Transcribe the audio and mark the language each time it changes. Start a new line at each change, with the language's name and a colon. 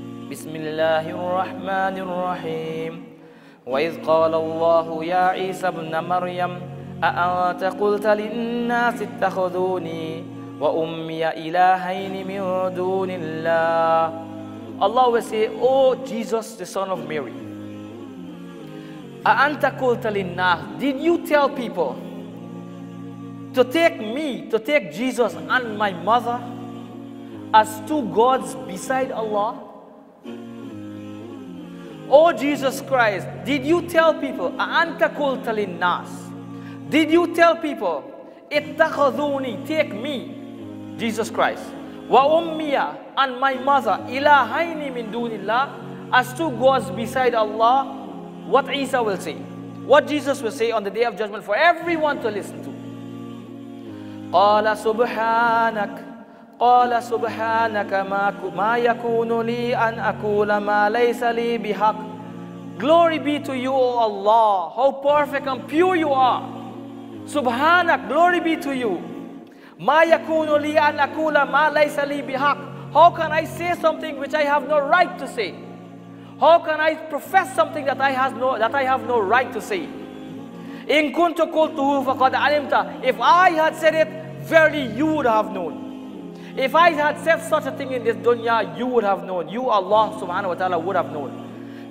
Arabic: بسم الله الرحمن الرحيم وإذ قال الله يا عيسى ابن مريم أأنت قلت للناس اتخذوني وأمي إلهين من دون الله.
English: Allah will say, oh Jesus, the son of Mary,
Arabic: أأنت قلت للناس,
English: did you tell people to take me, to take Jesus and my mother as two gods beside Allah? Oh Jesus Christ, did you tell people,
Arabic: anta qulta linnas,
English: did you tell people,
Arabic: ittakhadhuni,
English: take me, Jesus Christ,
Arabic: wa ummiya,
English: and my mother,
Arabic: ilahaini min dunillah,
English: as two gods beside Allah? What Isa will say, what Jesus will say on the day of judgment for everyone to listen to.
Arabic: Qala subhanak. قال سبحانك ما يكون لي أن أقول ما ليس لي بحق.
English: Glory be to you, O Allah. How perfect and pure you are.
Arabic: سبحانك.
English: Glory be to you.
Arabic: ما يكون لي أن أقول ما ليس لي بحق.
English: How can I say something which I have no right to say? How can I profess something that I have no right to say?
Arabic: إن كنت قلته فقد علمت.
English: If I had said it, verily you would have known. If I had said such a thing in this dunya, you would have known. You, Allah subhanahu wa ta'ala, would have known.